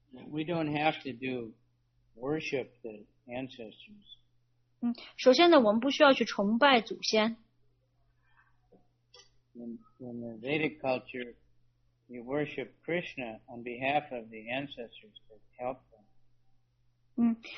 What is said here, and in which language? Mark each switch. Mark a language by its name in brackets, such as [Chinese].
[English] We don't have to do worship the ancestors. [Chinese] 首先呢，我们不需要去崇拜祖先。 [English] In the Vedic culture, you worship Krishna on behalf of the ancestors that helped them.